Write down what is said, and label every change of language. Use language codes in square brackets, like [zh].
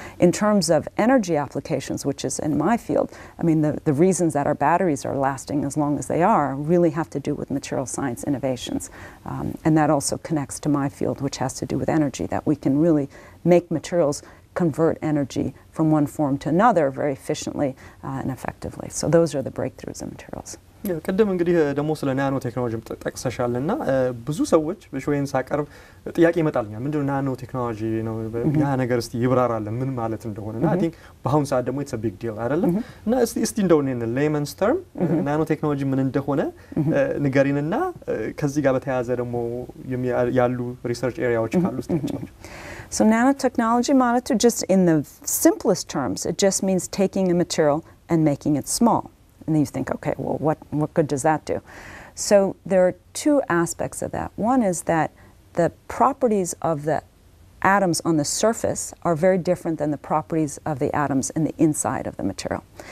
[en] In terms of energy applications, which is in my field, I mean, the reasons that our batteries are lasting as long as they are really have to do with material science innovations, and that also connects to my field, which has to do with energy, that we can really make materials convert energy from one form to another very efficiently and effectively. So those are the breakthroughs in materials. [am] ያ ቀደም እንግዲህ ደሞ ስለ ናኖ ቴክኖሎጂም ጠቅሰሻልና ብዙ ሰዎች በሽወይን ሳቀርብ ጥያቄ ይመጣልኛል፣ ምንድን ነው ናኖ ቴክኖሎጂ ነው ያ ነገር እስቲ ይብራራል ምን ማለት እንደሆነ። እና አይ ቲንክ በአሁን ሰዓት ደግሞ [en] ኢትስ አ ቢግ ዲል [am] አይደለም? እና እስቲ እንደው እኔን ሌመንስ ተርም ናኖ ቴክኖሎጂ ምን እንደሆነ ንገሪንና ከዚህ ጋር በተያያዘ ደግሞ ያሉ ሪሰርች ኤሪያዎች ካሉ እስቲ ጫወች። [en] So nanotechnology, monitor, just in the simplest terms, it just means taking a material and making it small. And then you think, okay, well, what good does that do? So there are two aspects of that. One is that the properties of the atoms on the surface are very different than the properties of the atoms in the inside of the material.